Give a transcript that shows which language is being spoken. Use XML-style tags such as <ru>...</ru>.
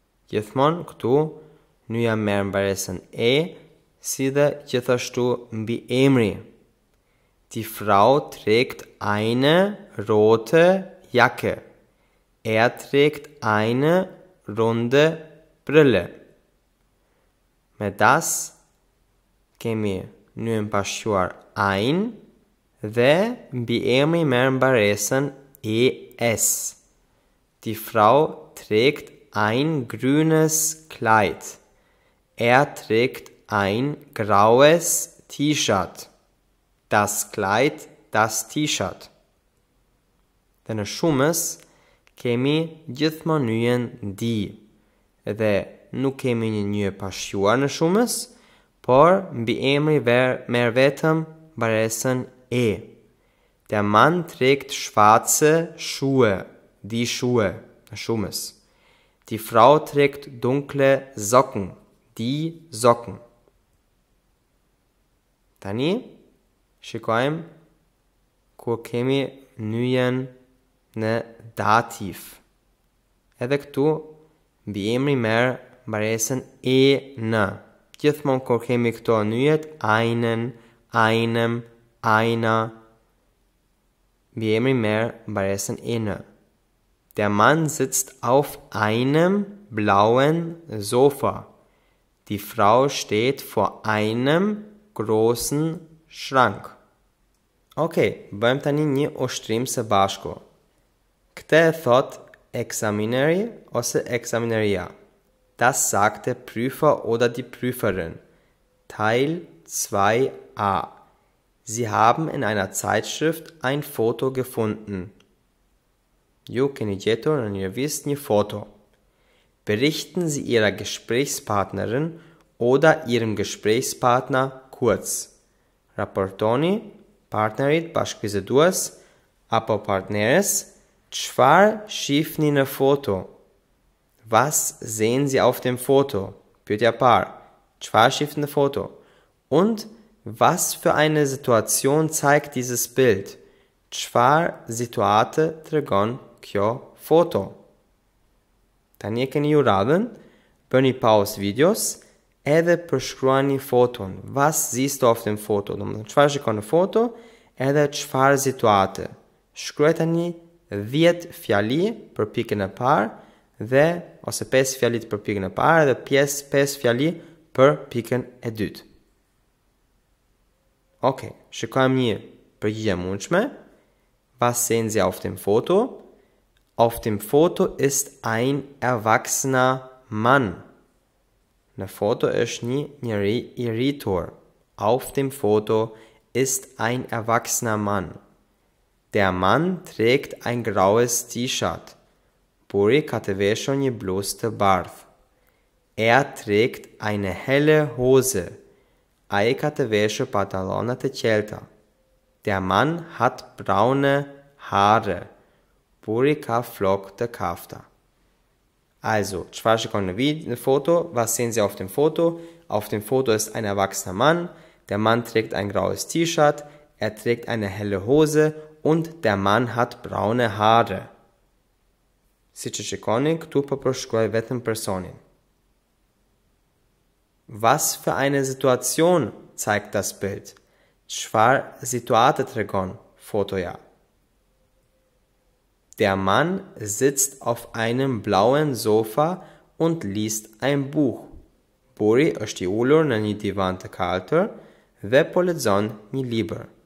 <sq>Gjithmonë këtu nyja merr mbaresën e, si dhe gjithashtu mbi emri.</sq> <de>Die Frau trägt eine rote Jacke. Trägt eine runde Brille.</de> <sq>Me das kemi nyjen pashquar ein dhe mbi emri merr mbaresën es.</sq> <de>Die Frau trägt ein grünes Kleid. Trägt ein graues T-Shirt. Das Kleid, das T-Shirt.</de> <sq>Dhe në shumës kemi gjithmonë nyjen di. Dhe nuk kemi një nyje pashquar në shumës, por mbi emri merr vetëm mbaresën e.</sq> <de>Der Mann trägt schwarze Schuhe, die Schuhe, Schumes. Die Frau trägt dunkle Socken, die Socken.</de> <sq>Tani, shikojm, kur kemi nyjen në dativ. Edhe këtu, mbi emri merë mbaresën e në. Gjithmonë kur kemi këto nyjet, einen, einem, einer. Mbi emri merë mbaresën e në.</sq> <de>Der Mann sitzt auf einem blauen Sofa. Die Frau steht vor einem großen Schrank.</de> <sq>Okay, bëjmë tani një ushtrim së bashku. Këtë e thot examineri ose examineria.</sq> <de>Das sagt der Prüfer oder die Prüferin. Teil 2a. Sie haben in einer Zeitschrift ein Foto gefunden.</de> <sq>Ju keni gjetur në një revist një foto.</sq> <de>Berichten Sie Ihrer Gesprächspartnerin oder Ihrem Gesprächspartner kurz.</de> <sq>Raportoni partnerit bashkëbiseduas apo partneres çfarë shihni në foto.</sq> <de>Was sehen Sie auf dem Foto?</de> <sq>Pyetja par. Çfarë shihni në foto?</sq> <de>Und was für eine Situation zeigt dieses Bild?</de> <sq>Çfarë situate tregon kjo foto? Tani e keni ju radhën, bëni pausë videos, edhe përshkruani foton.</sq> <de>Was siehst du auf dem Foto?</de> <sq>Do të thotë, çfarë shikon në foto? Edhe çfarë situate? Shkruaj tani 10 fjali për pikën e parë dhe ose 5 fjali për pikën e parë dhe 5 fjali për pikën e dytë. Okay, shikojmë një përgjigje e mundshme.</sq> <de>Was sehen Sie auf dem Foto? Auf dem Foto ist ein erwachsener Mann.</de> <sq>Në foto është një njeri i rritur.</sq> <de>Auf dem Foto ist ein erwachsener Mann. Der Mann trägt ein graues T-Shirt.</de> <sq>Buri ka të veshur një bluzë të bardhë.</sq> <de>Trägt eine helle Hose.</de> <sq>Ai ka të veshur pantallona të qelta.</sq> <de>Der Mann hat braune Haare.</de> <sq>Buri ka flok të kafta. Also, çfarë shikon në video, në foto?</sq> <de>Was sehen Sie auf dem Foto? Auf dem Foto ist ein erwachsener Mann. Der Mann trägt ein graues T-Shirt. Trägt eine helle Hose. Und der Mann hat braune Haare.</de> <sq>Si që shikoni, këtu po përshkruaj vetëm personin.</sq> <de>Was für eine Situation zeigt das Bild?</de> <sq>Çfarë situatë tregon fotoja?</sq> <de>Der Mann sitzt auf einem blauen Sofa und liest ein Buch.</de> <sq>Buri është i ulur në një divan të kaltër dhe po lexon një libër.</sq>